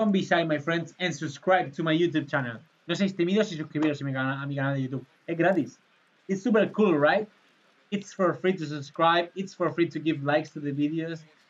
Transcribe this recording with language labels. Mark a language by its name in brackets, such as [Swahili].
[English] come beside my friends and subscribe to my YouTube channel. [Spanish] No seáis tímidos y suscribiros a mi canal de YouTube. Es gratis. [English] It's super cool, right? It's for free to subscribe. It's for free to give likes to the videos.